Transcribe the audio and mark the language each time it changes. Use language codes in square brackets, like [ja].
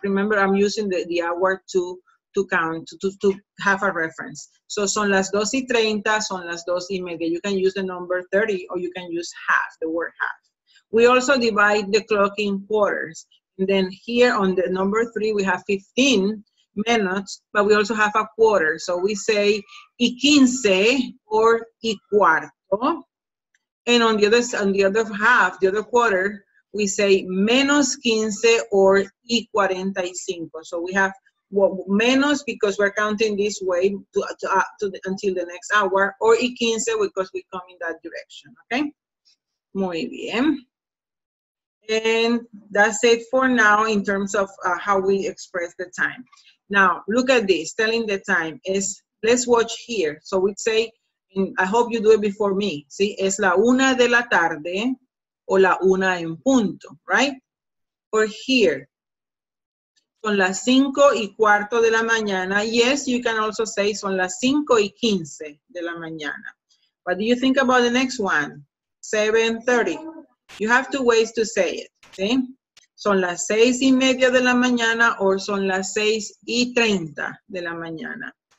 [en] Remember, I'm using the hour to count, to have a reference. So, [es] son las dos y treinta, son las dos y media. [en] You can use the number 30 or you can use half, the word half. We also divide the clock in quarters. And then here on the number 3, we have 15 minutes, but we also have a quarter. So, we say [es] y quince or y cuarto. [en] And on the other quarter, we say [es] menos quince or y cuarenta y cinco. [en] So, we have menos because we're counting this way until the next hour, or y quince because we come in that direction, okay? [es] Muy bien. [en] And that's it for now in terms of how we express the time. Now, look at this, telling the time is, let's watch here. So we'd say, and I hope you do it before me, ¿sí? [es] Es la una de la tarde o la una en punto, [en] right? Or here. [es] Son las 5 y cuarto de la mañana. [en] Yes, you can also say [es] son las 5 y 15 de la mañana. [en] What do you think about the next one? 7:30. You have two ways to say it. [es] ¿Sí? Son las 6 y media de la mañana or son las 6 y 30 de la mañana.